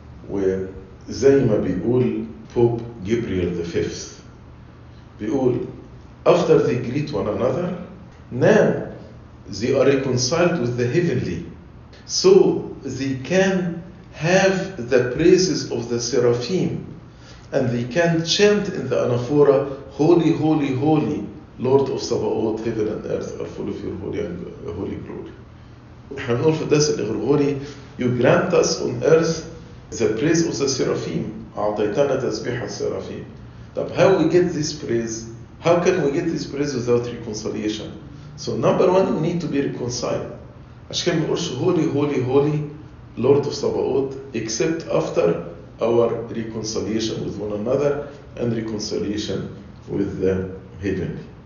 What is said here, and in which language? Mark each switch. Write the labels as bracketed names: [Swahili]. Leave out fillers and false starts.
[Arabic] وزي ما بيقول [English] Pope Gabriel the Fifth, [Arabic] بيقول [English] after they greet one another, now they are reconciled with the heavenly, so they can have the praises of the seraphim, and they can chant in the anaphora, holy, holy, holy, Lord of Sabaoth, heaven and earth are full of your holy and holy glory. [Arabic] إحنا نقول في الدرس الغرغوري, [English] you grant us on earth the praise of the seraphim, [Arabic] أعطيتنا تسبيح السرافيم. طب [English] how we get this praise? How can we get this praise without reconciliation? So number one, we need to be reconciled. [Arabic] عشان نقولش [English] holy, holy, holy, Lord of Sabaoth, except after our reconciliation with one another and reconciliation with the heavenly.